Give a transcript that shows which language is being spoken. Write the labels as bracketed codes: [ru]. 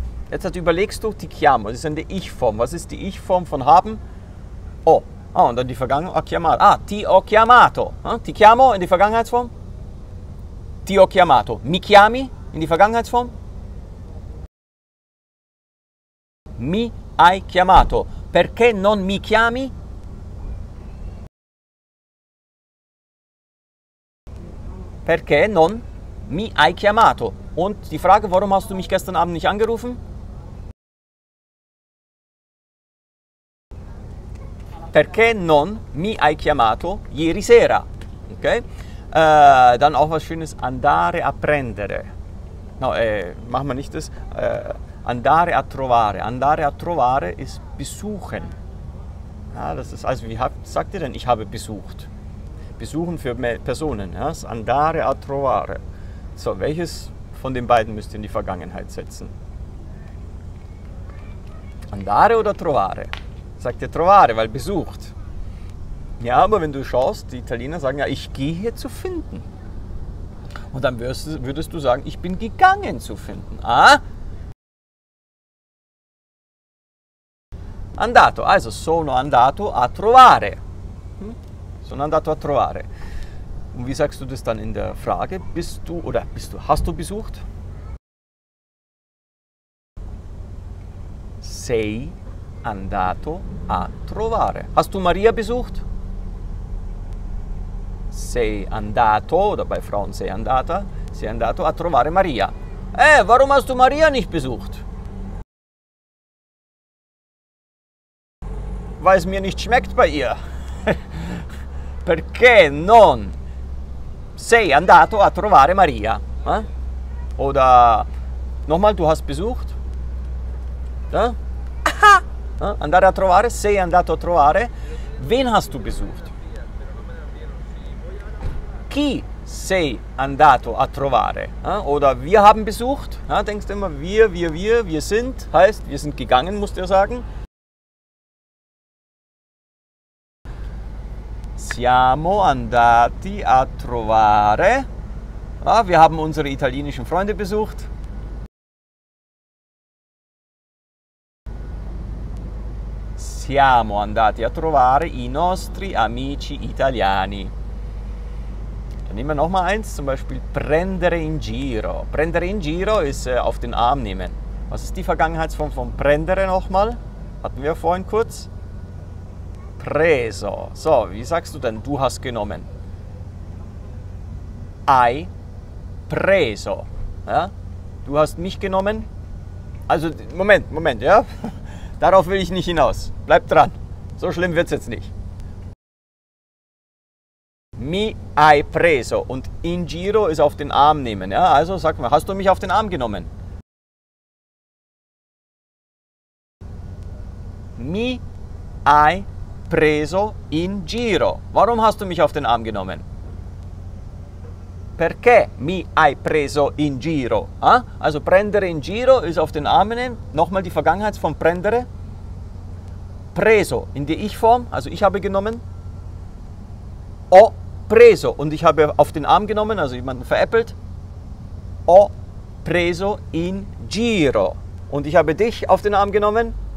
[de] Jetzt halt überlegst du, [it] ti chiamo, [de] das ist eine Ich-Form. Was ist die Ich-Form von haben? Oh, und dann die Vergangenheit, [it] ho chiamato. [de] Ah, [it] ti ho chiamato. Ti chiamo [de] in die Vergangenheitsform? [it] Ti ho chiamato. Mi chiami [de] in die Vergangenheitsform? [it] Mi hai chiamato. Perché non mi chiami? Perché non mi hai chiamato? [de] Und die Frage, warum hast du mich gestern Abend nicht angerufen? [it] Perché non mi hai chiamato ieri sera? [de] Ok? Dann auch was Schönes, [it] andare a prendere. [de] No, machen wir nicht das. [it] Andare a trovare. Andare a trovare [de] ist besuchen. Ja, das ist, also, wie sagt ihr denn, ich habe besucht? Besuchen für Personen. Ja? [it] Andare a trovare. [de] So, welches von den beiden müsst ihr in die Vergangenheit setzen? Andare oder trovare? Sagt ihr trovare, weil besucht. Ja, aber wenn du schaust, die Italiener sagen ja, ich gehe zu finden. Und dann würdest du sagen, ich bin gegangen zu finden. Ah? [it] Andato, [de] also [it] sono andato a trovare. Sono andato a trovare. [de] Und wie sagst du das dann in der Frage? Bist du oder bist du, hast du besucht? [it] Sei andato a trovare. [de] Hast du Maria besucht? [it] Sei andato, [de] oder bei Frauen [it] sei andato a trovare Maria. [de] Warum hast du Maria nicht besucht? Weil es mir nicht schmeckt bei ihr. [it] Perché non sei andato a trovare Maria? [de] Oder nochmal, du hast besucht? Ja? [it] Andare a trovare, sei andato a trovare. [de] Wen hast du besucht? [it] Chi sei andato a trovare? [de] Oder wir haben besucht. Denkst du immer, wir sind, heißt, wir sind gegangen, musst du sagen. [it] Siamo andati a trovare. [de] Wir haben unsere italienischen Freunde besucht. [it] Siamo andati a trovare i nostri amici italiani. [de] Dann nehmen wir nochmal eins, zum Beispiel [it] prendere in giro. Prendere in giro [de] ist auf den Arm nehmen. Was ist die Vergangenheitsform von prendere nochmal? Hatten wir vorhin kurz. Preso. So, wie sagst du denn, du hast genommen? [it] Hai preso. [de] Ja? Du hast mich genommen. Also, Moment, ja? Darauf will ich nicht hinaus. Bleib dran. So schlimm wird es jetzt nicht. [it] Mi hai preso. [de] Und [it] in giro [de] ist auf den Arm nehmen. Ja, also sag mal, hast du mich auf den Arm genommen? [it] Mi hai preso in giro. [de] Warum hast du mich auf den Arm genommen? [it] Perché mi hai preso in giro? [de] Also [it] prendere in giro [de] ist auf den Arm nehmen. Nochmal die Vergangenheitsform prendere. Preso in die Ich-Form, also ich habe genommen. [it] Ho preso [de] und ich habe auf den Arm genommen, also jemanden veräppelt. [it] Ho preso in giro [de] und ich habe dich auf den Arm genommen.